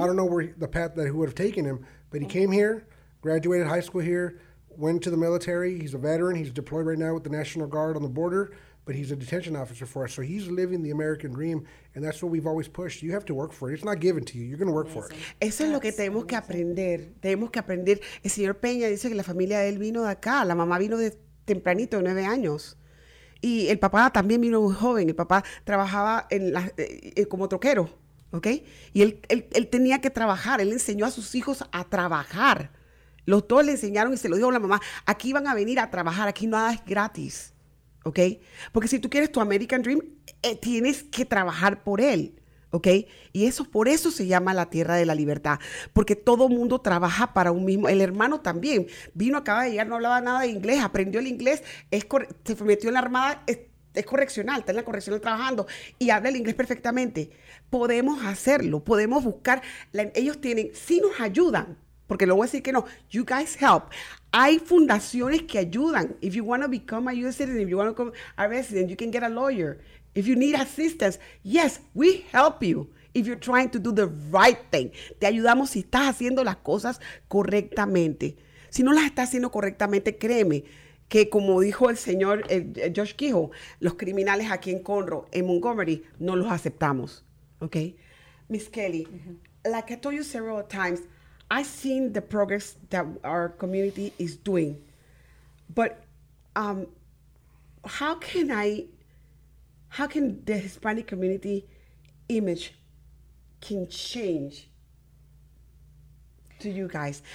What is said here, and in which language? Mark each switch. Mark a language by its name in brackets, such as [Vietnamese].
[English] I don't know where the path that he would have taken him. But he came here, graduated high school here, went to the military. He's a veteran. He's deployed right now with the National Guard on the border. But he's a detention officer for us. So he's living the American dream. And that's what we've always pushed. You have to work for it. It's not given to you. You're going to work for it. [Spanish] Eso es lo que tenemos que aprender. Tenemos que aprender. El señor Peña dice que la familia de él vino de acá. La mamá vino de tempranito, 9 años. Y el papá también vino muy joven. El papá trabajaba como troquero. ¿Okay? Y él tenía que trabajar. Él enseñó a sus hijos a trabajar. Los dos le enseñaron y se lo dijo a la mamá. Aquí van a venir a trabajar. Aquí nada es gratis. ¿Ok? Porque si tú quieres tu American Dream, tienes que trabajar por él. ¿Ok? Y eso, por eso se llama la Tierra de la Libertad. Porque todo mundo trabaja para un mismo. El hermano también vino, acaba de llegar, no hablaba nada de inglés, aprendió el inglés, se metió en la Armada, es correccional, está en la correccional trabajando y habla el inglés perfectamente. Podemos hacerlo, podemos buscar. Ellos tienen, si nos ayudan, porque luego voy a decir que no, [English] you guys help. [Spanish] Hay fundaciones que ayudan. [English] If you want to become a U.S. citizen, if you want to become a resident, you can get a lawyer. If you need assistance, yes, we help you if you're trying to do the right thing. [Spanish] Te ayudamos si estás haciendo las cosas correctamente. Si no las estás haciendo correctamente, créeme que como dijo el señor Josh Kehoe, los criminales aquí en Conroe, en Montgomery, no los aceptamos. [English] Okay? Miss Kelly, like I told you several times, I've seen the progress that our community is doing, but how can the Hispanic community image can change to you guys?